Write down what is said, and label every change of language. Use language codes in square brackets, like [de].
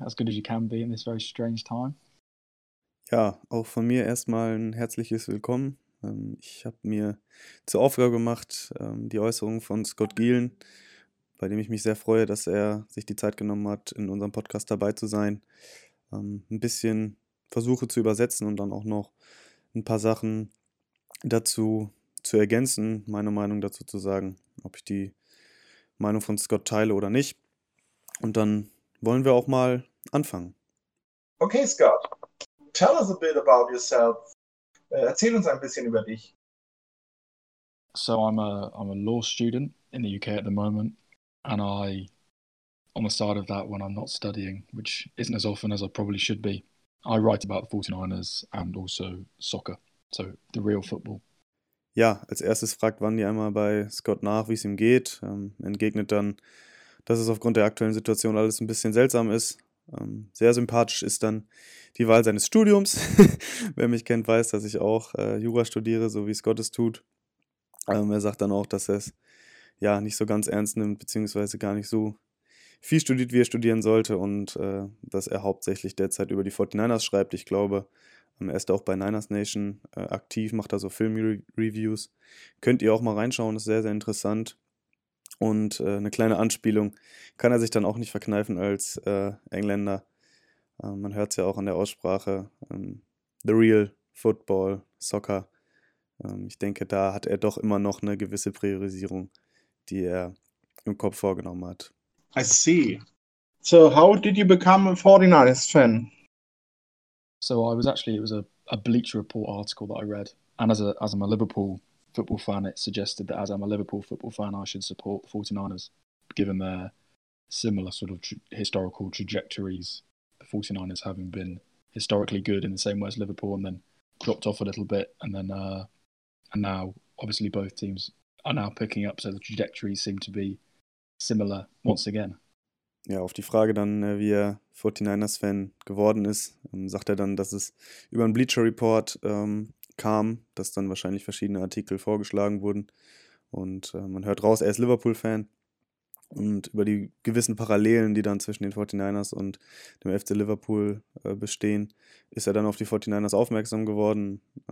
[en] As good as you can be in this very strange time. [de] Ja, auch von mir erstmal ein herzliches Willkommen. Ich habe mir zur Aufgabe gemacht, die Äußerungen von Scott Gielen, bei dem ich mich sehr freue, dass er sich die Zeit genommen hat, in unserem Podcast dabei zu sein, ein bisschen versuche zu übersetzen und dann auch noch ein paar Sachen dazu zu ergänzen, meine Meinung dazu zu sagen, ob ich die Meinung von Scott teile oder nicht. Und dann wollen wir auch mal anfangen. [en] Okay, Scott, tell us a bit about yourself. [de] Erzähl uns ein bisschen über dich. [en] So I'm a law student in the UK at the moment. And I, on the side of that, when I'm not studying, which isn't as often as I probably should be, I write about the 49ers and also soccer, so the real football. [de] Ja, als erstes fragt Wandi einmal bei Scott nach, wie es ihm geht, entgegnet dann, dass es aufgrund der aktuellen Situation alles ein bisschen seltsam ist. Sehr sympathisch ist dann die Wahl seines Studiums. Wer mich kennt, weiß, dass ich auch Jura studiere, so wie Scott es tut. Er sagt dann auch, dass er es ja nicht so ganz ernst nimmt, beziehungsweise gar nicht so viel studiert, wie er studieren sollte und dass er hauptsächlich derzeit über die 49ers schreibt. Ich glaube, er ist auch bei Niners Nation aktiv, macht da so Film-Reviews. Könnt ihr auch mal reinschauen, ist sehr, sehr interessant. Und eine kleine Anspielung kann er sich dann auch nicht verkneifen als Engländer. Man hört es ja auch an der Aussprache. [en] The real football, soccer. [de] Ich denke, da hat er doch immer noch eine gewisse Priorisierung, die er im Kopf vorgenommen hat. [en] I see. So how did you become a 49ers fan? So it was a Bleacher Report article that I read. And as I'm a Liverpool football fan, it suggested that as I'm a Liverpool football fan, I should support the 49ers, given their similar sort of historical trajectories. The 49ers having been historically good in the same way as Liverpool and then dropped off a little bit. And then and now, obviously, both teams are now picking up, so the trajectories seem to be similar once again. [de] Ja, auf die Frage dann, wie er 49ers-Fan geworden ist, sagt er dann, dass es über einen Bleacher Report kam, dass dann wahrscheinlich verschiedene Artikel vorgeschlagen wurden. Und man hört raus, er ist Liverpool-Fan. Und über die gewissen Parallelen, die dann zwischen den 49ers und dem FC Liverpool bestehen, ist er dann auf die 49ers aufmerksam geworden.